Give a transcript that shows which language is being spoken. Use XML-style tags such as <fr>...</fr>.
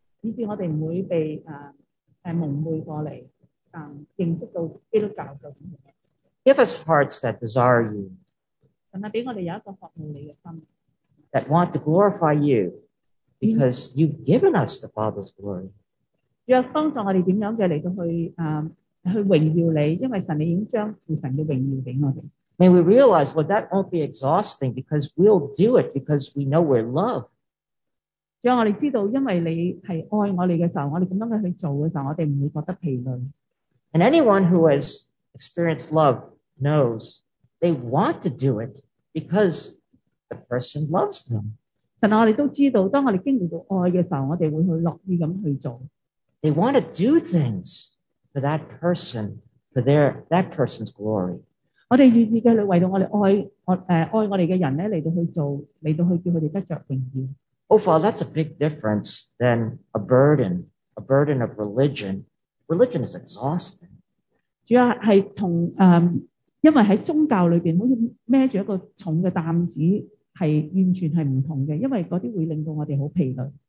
<yue>以致我哋唔会被蒙昧过嚟，认识到基督教究竟系咩。</yue> <en>Give us hearts that desire you.</en> <yue>神啊，俾我哋有一个渴慕你嘅心。</yue> <en>That want to glorify you because you've given us the Father's glory.</en> <yue>主啊，帮助我哋点样嘅嚟到去去荣耀你，因为神你已经将父神嘅荣耀俾我哋。</yue> <en>May we realize, well, that won't be exhausting because we'll do it because we know we're loved.</en> <yue>让我哋知道，因为你系爱我哋嘅时候，我哋咁样去做嘅时候，我哋唔会觉得疲累。</yue> <en>And anyone who has experienced love knows they want to do it because the person loves them.</en> <yue>神啊，我哋都知道，当我哋经历到爱嘅时候，我哋会去乐意咁去做。</yue> <en>They want to do things. For that person, for that person's glory.</en> <yue>我哋愿意嘅嚟为到我哋爱我哋嘅人咧嚟到去做，嚟到去叫佢哋得着荣耀。</yue> <en>Oh, Father, that's a big difference than a burden of religion. Religion is exhausting.</en> <yue>主要系同因为喺宗教里边，好似孭住一个重嘅担子，系完全系唔同嘅，因为嗰啲会令到我哋好疲累。</yue>